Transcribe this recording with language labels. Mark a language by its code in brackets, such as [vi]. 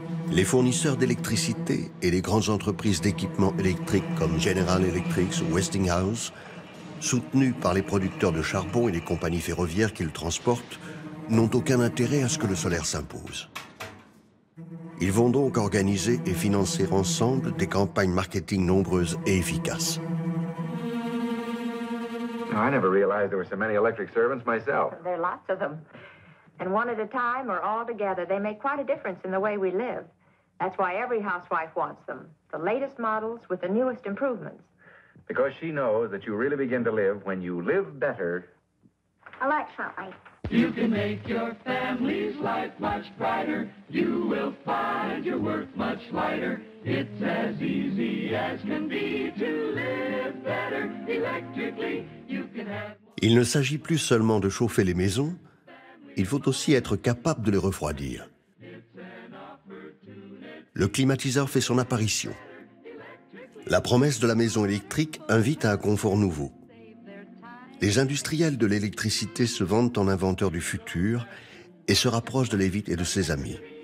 [fr] Les fournisseurs d'électricité et les grandes entreprises d'équipements électriques comme General Electric ou Westinghouse, soutenus par les producteurs de charbon et les compagnies ferroviaires qui le transportent, n'ont aucun intérêt à ce que le solaire s'impose. Ils vont donc organiser et financer ensemble des campagnes marketing nombreuses et efficaces. [en] I never realized there were so many electric servants myself. There are lots of them. And one at a time or all together, they make quite a difference in the way we live. That's why every housewife wants them. The latest models with the newest improvements. Because she knows that you really begin to live when you live better. Electronically. You can make your family's life much brighter. You will find your work much lighter. It's as easy as can be to live better electrically. [fr] Il ne s'agit plus seulement de chauffer les maisons, il faut aussi être capable de les refroidir. Le climatiseur fait son apparition. La promesse de la maison électrique invite à un confort nouveau. Les industriels de l'électricité se vendent en inventeurs du futur et se rapprochent de Leavitt et de ses amis.